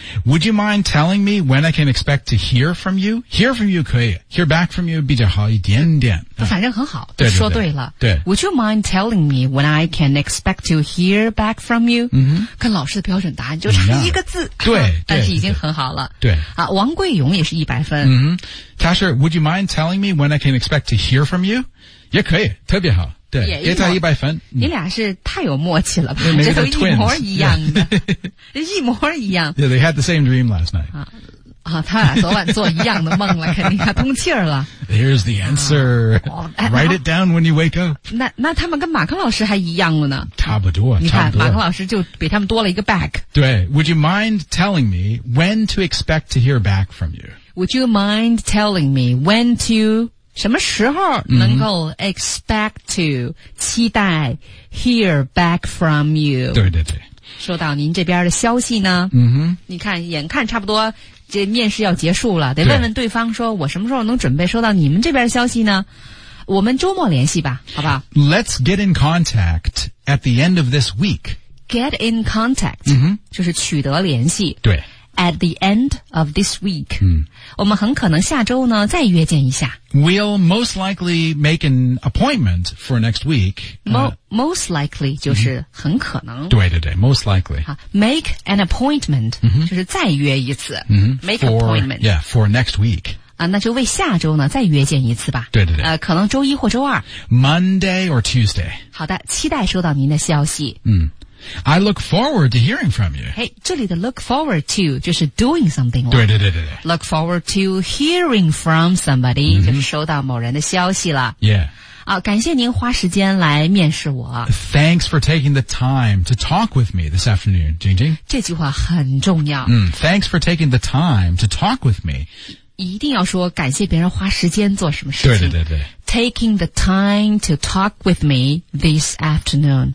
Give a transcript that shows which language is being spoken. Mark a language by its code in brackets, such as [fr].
[en] Would you mind telling me when I can expect to hear from you? Hear from you 可以 Hear back from you [zh] 比较好一点点反正很好对对对说对了对 Would you mind telling me when I can expect to hear back from you? 跟老师的标准答案就差一个字对但是已经很好了对啊，王桂勇也是一百分他是 [en] Would you mind telling me when I can expect to hear from you? [zh] 也可以特别好对给他一百分你俩是太有默契了吧、嗯、这都一模一样的、 yeah. 一模一样 [en] Yeah, they had the same dream last night、啊、 [zh] 啊，他俩昨晚做一样的梦了，肯定他通气儿了。 [en] There's the answer.、Write it down when you wake up. [zh] 那他们跟马克老师还一样了呢？差不多，你看马克老师就比他们多了一个 back。 [en] 对 ，Would you mind telling me when to expect to hear back from you? Would you mind telling me when to [zh] 什么时候能够 [en] expect to 期待 hear back from you? [zh] 对对对。说到您这边的消息呢，嗯哼，你看眼看差不多这面试要结束了，得问问对方说，我什么时候能准备收到你们这边消息呢？我们周末联系吧，好不好 [en] ？Let's get in contact at the end of this week. Get in contact，嗯哼， [zh] 就是取得联系。对 [en] ，at the end of this week，嗯， [zh] 我们很可能下周呢再约见一下。 [en] We'll most likely make an appointment for next week. [zh] Most likely 就是很可能。Mm-hmm. [en] 对对对 ，most likely. Make an appointment、 mm-hmm. [zh] 就是再约一次。 Mm-hmm. [en] Make an appointment. Yeah, for next week. [zh] 啊，那就为下周呢再约见一次吧。对对对。可能周一或周二。 [en] Monday or Tuesday. [zh] 好的，期待收到您的消息。 [en] 嗯。I look forward to hearing from you. Hey, 这里的 look forward to 就是 doing something. [zh] 对对对对对。 [en] Look forward to hearing from somebody,、mm-hmm. [zh] 就是收到某人的消息了。 Yeah. 感谢您花时间来面试我。 [en] Thanks for taking the time to talk with me this afternoon, Jingjing. [zh] 这句话很重要。 [en] Thanks for taking the time to talk with me. [zh] 一定要说感谢别人花时间做什么事情。对对对对。 [en] Taking the time to talk with me this afternoon.